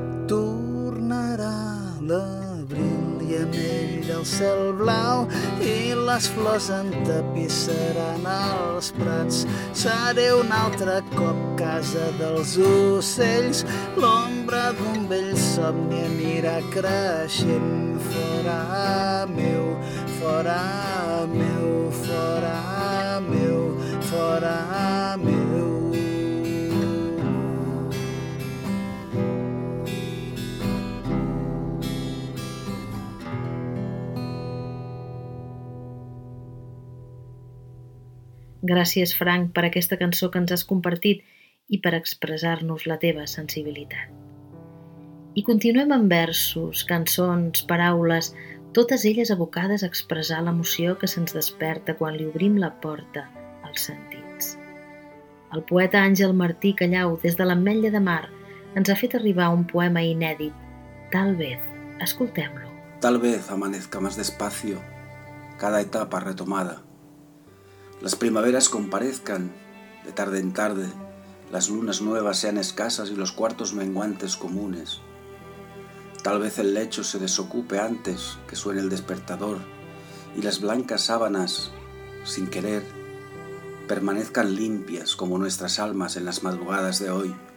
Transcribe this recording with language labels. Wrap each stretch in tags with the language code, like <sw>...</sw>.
<ca>Tornarà l'abril i amb ell el cel blau, i les flors entapissaran els prats. Seré un altre cop casa dels ocells, l'ombra d'un vell somni anirà creixent. Fora meu, fora meu, fora meu, fora meu. Gràcies, Frank, per aquesta cançó que ens has compartit i per expressar-nos la teva sensibilitat. I continuem amb versos, cançons, paraules, totes elles abocades a expressar l'emoció que se'ns desperta quan li obrim la porta als sentits. El poeta Àngel Martí Callau, des de l'Ametlla de Mar, ens ha fet arribar un poema inèdit, Tal vez, Escoltem-lo.</ca> <es>Tal vez amanezca más despacio cada etapa retomada. Las primaveras comparezcan de tarde en tarde, las lunas nuevas sean escasas y los cuartos menguantes comunes. Tal vez el lecho se desocupe antes que suene el despertador y las blancas sábanas, sin querer, permanezcan limpias como nuestras almas en las madrugadas de hoy.</es>